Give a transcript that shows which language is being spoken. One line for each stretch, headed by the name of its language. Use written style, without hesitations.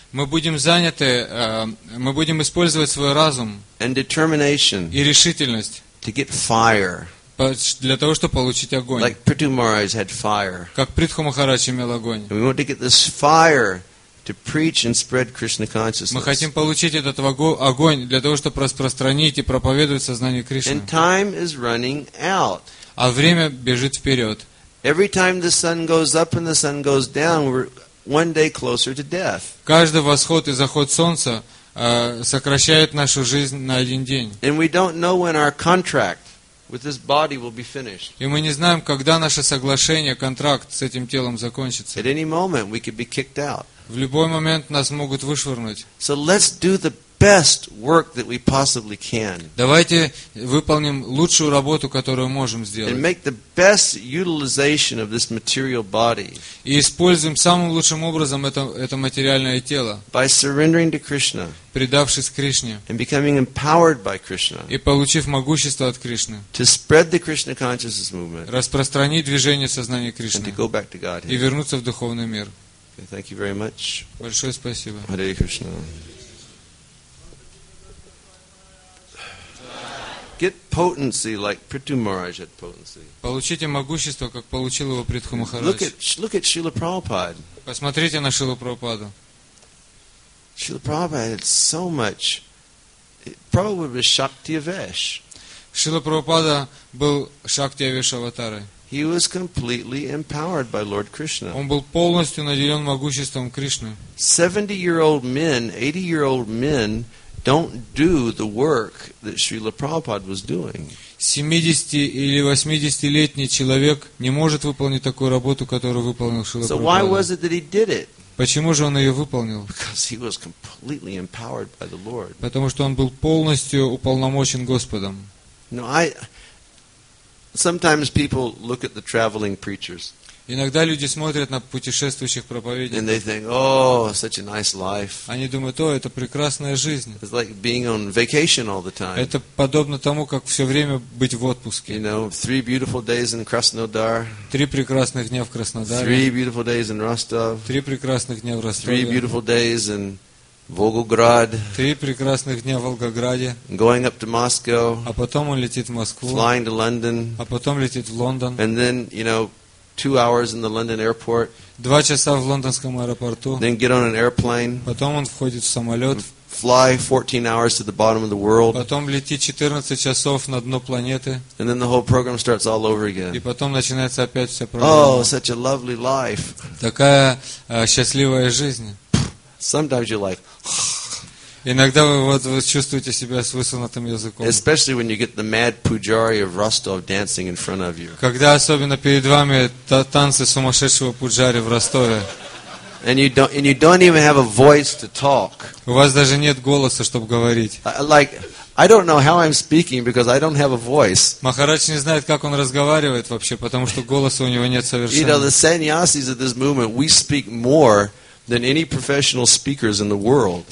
Russian: Мы будем заняты, мы будем использовать свой разум и решительность для того, чтобы получить огонь.
English: Like Prithu Maharaj had fire.
Russian: Как Притху Махарадж имел огонь.
English: And we want to get this fire to preach and spread Krishna consciousness.
Russian: Мы хотим получить этот огонь для того, чтобы распространить и проповедовать сознание Кришны.
English: And time is running out.
Russian: А время бежит вперед.
English: Every time the sun goes up and the sun goes down, we're one day closer to death.
Russian: Каждый восход и заход солнца сокращает нашу жизнь на один день.
English: And we don't know when our contract with this body will be finished.
Russian: И мы не знаем, когда наше соглашение, контракт с этим телом закончится.
English: At any moment we could be kicked out.
Russian: В любой момент нас могут вышвырнуть.
English: So let's do the best work that we possibly can.
Russian: Давайте выполним лучшую работу, которую можем сделать.
English: And make the best utilization of this material body.
Russian: И используем самым лучшим образом это материальное тело.
English: By surrendering to Krishna.
Russian: Предавшись Кришне.
English: And becoming empowered by Krishna.
Russian: И получив могущество от Кришны.
English: To spread the Krishna consciousness movement.
Russian: Распространить движение сознания Кришны.
English: And to go back to Godhead.
Russian: И вернуться в духовный мир.
English: Okay, thank you very much.
Russian: Большое спасибо.
English: Hare Krishna. Get potency like Prithu Maharaj had potency.
Russian: Получите могущество, как получил его Притху Махарадж.
English: Look at Srila Prabhupada.
Russian: Посмотрите на Шрилу Прабхупаду.
English: Srila Prabhupada had so much. Prabhupada was Shakti Avesh.
Russian: Шрила Прабхупада был Шакти Авеш Аватарой.
English: He was completely empowered by Lord Krishna.
Russian: Он был полностью наделен могуществом Кришны.
English: 70-year-old men, 80-year-old men don't do the work that Srila Prabhupada was doing.
Russian: 70 или 80-летний человек не может выполнить такую работу, которую выполнил Шрила Прабхупада.
English: So why was it that he did it?
Russian: Почему же он ее выполнил?
English: Because he was completely empowered by the Lord.
Russian: Потому что он был полностью уполномочен Господом.
English: No, sometimes people look at the traveling preachers.
Russian: Иногда люди смотрят на путешествующих проповедников.
English: And they think, oh, such a nice life.
Russian: Они думают, о, это прекрасная жизнь.
English: It's like being on vacation all the time.
Russian: Это подобно тому, как все время быть в отпуске.
English: You know, three beautiful days in Krasnodar.
Russian: Три прекрасных дня в Краснодаре.
English: Three beautiful days in Rostov.
Russian: Три прекрасных дня в Ростове.
English: Three beautiful days in Volgograd.
Russian: Три прекрасных дня в Волгограде.
English: Going up to Moscow.
Russian: А потом он летит в Москву.
English: Flying to London.
Russian: А потом летит в Лондон.
English: And then, you know, 2 hours in the London airport.
Russian: 2 часа в лондонском аэропорту.
English: Then get on an airplane.
Russian: Потом он входит в самолет.
English: Fly 14 hours to the bottom of the world.
Russian: Потом летит 14 часов на дно планеты.
English: And then the whole program starts all over again.
Russian: И потом начинается опять вся программа.
English: Oh, such a lovely life.
Russian: Такая счастливая жизнь.
English: Sometimes you're like.
Russian: Иногда вы чувствуете себя с высунутым языком.
English: Especially when you get the mad pujari of Rostov dancing in front of you.
Russian: Когда особенно перед вами танцы сумасшедшего пуджари в Ростове.
English: And you don't even have a voice to talk.
Russian: У вас даже нет голоса, чтобы говорить.
English: Like I don't know how I'm speaking because I don't have a voice.
Russian: Махарадж не знает, как он разговаривает вообще, потому что голоса у него нет совершенно.
English: You know, the sannyasis of this movement, we speak more than any professional speakers in the world.